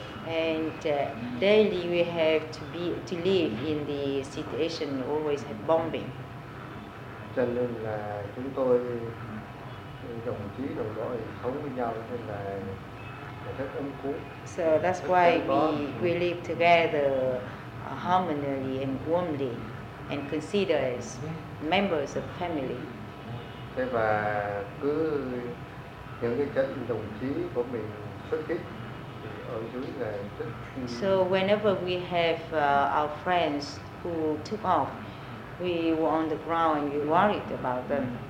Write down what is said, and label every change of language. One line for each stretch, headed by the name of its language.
English: And daily we have to live in the situation always had bombing.
Vietnamese: Cho nên là chúng tôi đồng chí đồng đội sống với nhau nên là rất ấm cúng.
English: So that's why we live together harmonically and warmly and consider as members of family.
Vietnamese: Thế và cứ những cái trận đồng chí của mình xuất kích thì ở dưới là rất.
English: So whenever we have our friends who took off, we were on the ground and we worried about them.